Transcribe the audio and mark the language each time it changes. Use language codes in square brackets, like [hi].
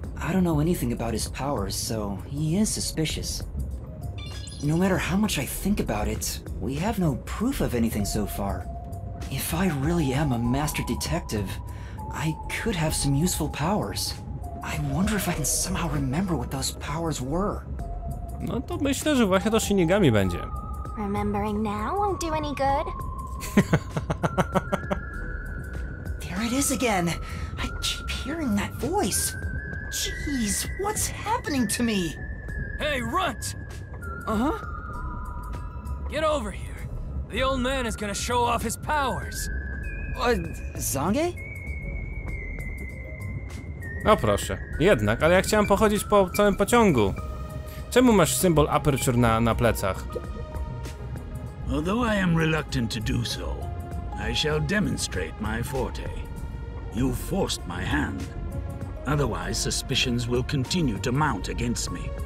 [en] I don't know anything about his powers, so he is suspicious. No matter how much I think about it, we have no proof of anything so far. If I really am a master detective, I could have some useful powers. I wonder if I can somehow remember what those powers were. [pl] No to myślę, że właśnie to Shinigami będzie. [en] Remembering now won't do any good. There it is again. I keep hearing that voice. Jeez, what's happening to me? Hey, runt! Uh-huh? Get over here. The old man is gonna show off his powers. [pl] Zangę? No proszę. Jednak, ale ja chciałem pochodzić po całym pociągu. Czemu masz symbol Aperture na plecach? [en] Although I am reluctant to do so, I shall demonstrate my forte. You forced my hand. Otherwise suspicions will continue to mount against me.